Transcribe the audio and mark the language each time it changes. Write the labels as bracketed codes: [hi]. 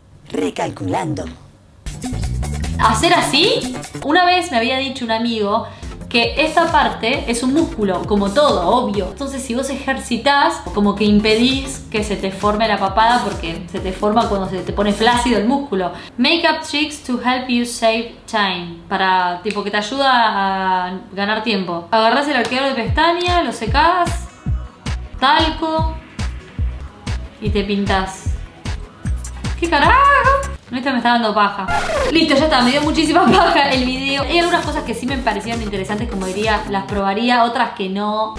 [es] Recalculando. ¿Hacer así? Una vez me había dicho un amigo que esta parte es un músculo, como todo, obvio. Entonces, si vos ejercitás, como que impedís que se te forme la papada, porque se te forma cuando se te pone flácido el músculo. [en] Makeup tricks to help you save time. [es] Para, tipo, que te ayuda a ganar tiempo. Agarrás el arqueador de pestaña, lo secás, talco y te pintás. ¿Qué carajo? Esta me está dando paja. Listo, ya está, me dio muchísima paja el video. Hay algunas cosas que sí me parecían interesantes, como diría, las probaría, otras que no.